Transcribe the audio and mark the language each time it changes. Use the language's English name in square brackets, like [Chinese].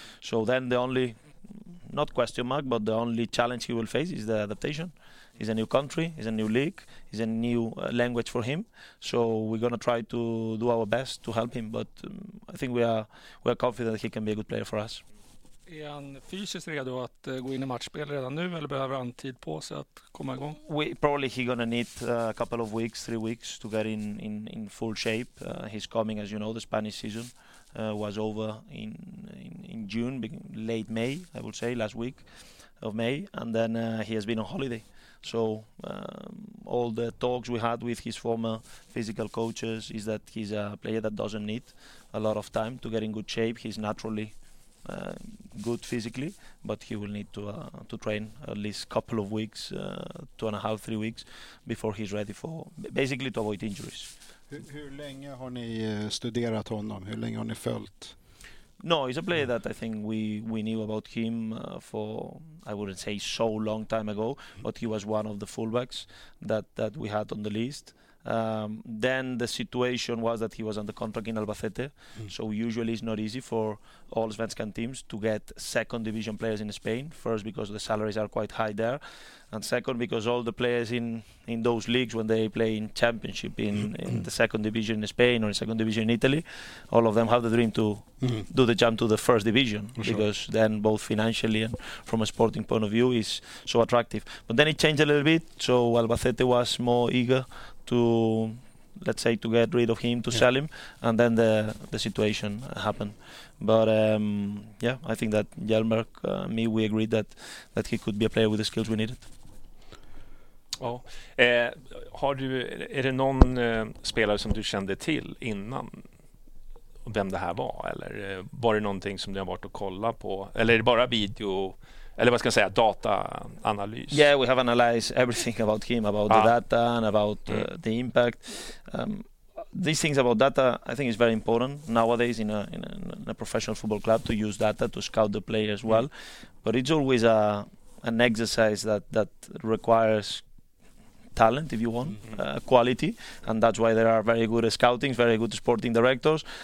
[English] So then the only, not question mark, but the only challenge he will face is the adaptation. It's a new country, it's a new league, it's a new language for him. So we're going to try to do our best to help him. But I think we are confident that he can be a good player for us. [Swedish] Är han fysiskt redo att gå in i matchspel redan nu eller behöver han tid på sig att komma igång? [English] Probably he's gonna need a couple of weeks, 3 weeks to get in full shape. He's coming, as you know, the Spanish season was over in June, late May, I would say, last week of May, and then he has been on holiday. So all the talks we had with his former physical coaches is that he's a player that doesn't need a lot of time to get in good shape. He's naturally good physically, but he will need to train at least a couple of weeks, 2.5-3 weeks before he's ready for, basically to avoid injuries. [Swedish] Hur länge har ni studerat honom? Hur länge har ni följt? [English] No, he's a player that I think we knew about him for, I wouldn't say so long time ago, but he was one of the fullbacks that we had on the list. Then the situation was that he was under contract in Albacete, so usually it's not easy for all Svenskan teams to get second division players in Spain, first because the salaries are quite high there, and second because all the players in those leagues, when they play in championship in the second division in Spain or in second division in Italy, all of them have the dream to do the jump to the first division, for because sure. Then both financially and from a sporting point of view is so attractive. But then it changed a little bit, so Albacete was more eager to, let's say, to get rid of him, to sell him, and then the situation happened. But I think that Hjelmberg, me, we agreed that he could be a player with the skills we needed. Oh. [Swedish] Är det någon spelare som du kände till innan vem det här var? Eller var det någonting som du har varit att kolla på? Eller är det bara video? Eller vad ska jag säga, data analys. [English] Yeah, we have analyzed everything about him, about the data and about the impact. These things about data, I think, is very important nowadays in a professional football club to use data to scout the player as well. But it's always an exercise that requires talent, if you want, quality, and that's why there are very good scoutings, very good sporting directors.